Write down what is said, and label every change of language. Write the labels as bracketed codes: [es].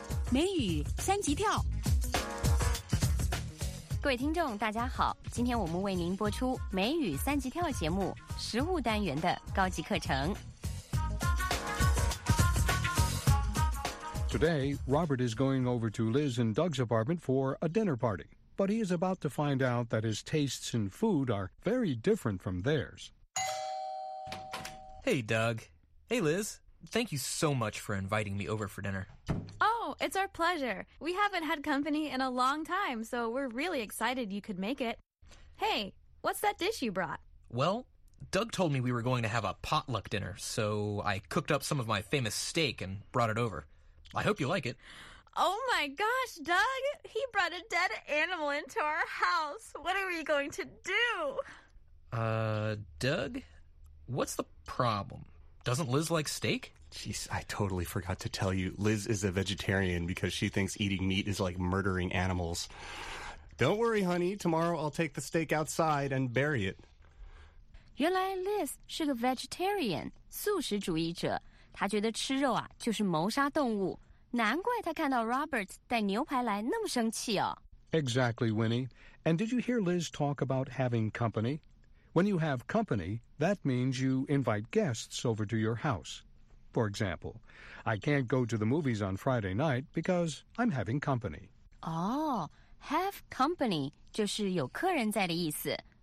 [zh] 美语三级跳。各位听众大家好，今天我们为您播出美语三级跳节目实务单元的高级课程。 [en] Today, Robert is going over to Liz and Doug's apartment for a dinner party, but he is about to find out that his tastes in food are very different from theirs. Hey, Doug. Hey, Liz. Thank you so much for inviting me over for dinner. Oh, it's our pleasure. We haven't had company in a long time, so we're really excited you could make it. Hey, what's that dish you brought? Well, Doug told me we were going to have a potluck dinner, so I cooked up some of my famous steak and brought it over. I hope you like it. Oh my gosh, Doug! He brought a dead animal into our house! What are we going to do? Doug? What's the problem? Doesn't Liz like steak? Jeez, I totally forgot to tell you. Liz is a vegetarian because she thinks eating meat is like murdering animals. Don't worry, honey. Tomorrow I'll take the steak outside and bury it. [zh] 原来 Liz 是个 vegetarian, 素食主义者。他觉得吃肉啊就是谋杀动物，难怪他看到 Robert 带牛排来那么生气哦。 [en] Exactly, Winnie. And did you hear Liz talk about having company? When you have company, that means you invite guests over to your house. For example, I can't go to the movies on Friday night because I'm having company. [zh] Oh, [en] have company [zh] 就是有客人在的意思。